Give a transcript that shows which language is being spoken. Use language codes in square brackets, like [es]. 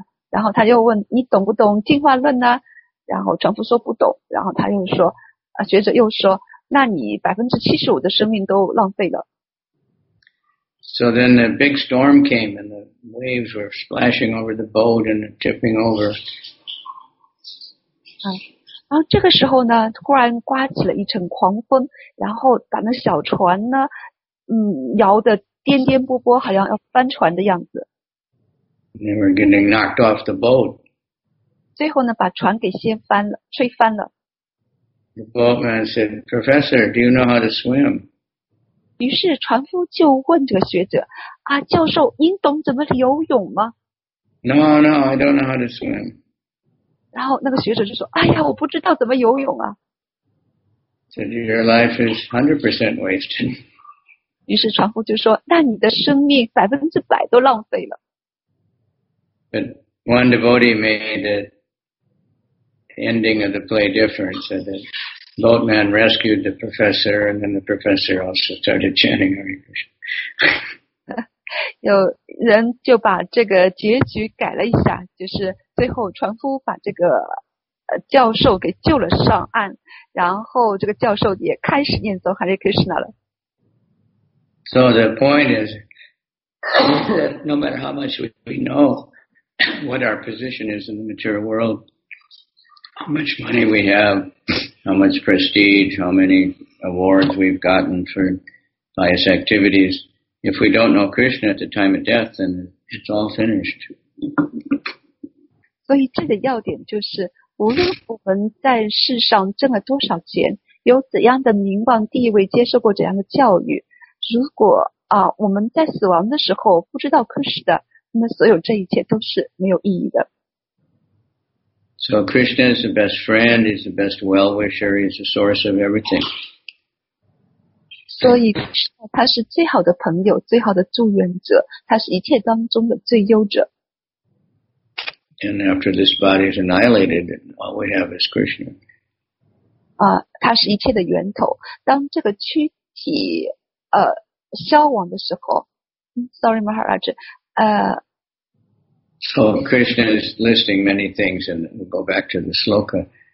[zh] 然后他又问你懂不懂进化论呢？然后船夫说不懂。然后他又说，学者又说，那你75%的生命都浪费了。 [en] So then a big storm came, and the waves were splashing over the boat and tipping over. [zh] 然后这个时候呢，突然刮起了一阵狂风，然后把那小船呢，摇得颠颠簸簸，好像要翻船的样子。 [en] They were getting knocked off the boat. [zh] 最后呢，把船给掀翻了，吹翻了。 [en] The boatman said, "Professor, do you know how to swim?" [zh] 于是船夫就问这个学者，啊，教授，您懂怎么游泳吗 [en] ？No, I don't know how to swim. [zh] 然后那个学者就说：“哎呀，我不知道怎么游泳啊。” [en] Said your life is 100% wasted. [zh] 于是船夫就说：“那你的生命100%都浪费了。” [en] But one devotee made the ending of the play different. So the boatman rescued the professor, and then the professor also started chanting Hare Krishna. [zh] 有人就把这个结局改了一下，就是。最后船夫把这个教授给救了上岸，然后这个教授也开始念诵 Hare Krishna 了。 [en] So the point is, no matter how much we know what our position is in the material world, how much money we have, how much prestige, how many awards we've gotten for pious activities, if we don't know Krishna at the time of death, then it's all finished. [zh] 所以这个要点就是，无论我们在世上挣了多少钱，有怎样的名望地位，接受过怎样的教育，如果我们在死亡的时候不知道可是的，那么所有这一切都是没有意义的。 [en] So Krishna is the best friend, he's the best well-wisher, he's the source of everything. [zh] 所以他是最好的朋友，最好的助缘者，他是一切当中的最优者。 [en] And after this body is annihilated, all we have is Krishna. [zh] 它是一切的源头。当这个躯体消亡的时候 ， [en] Sorry, Maharaj. So Krishna is listing many things, and we'll go back to the sloka.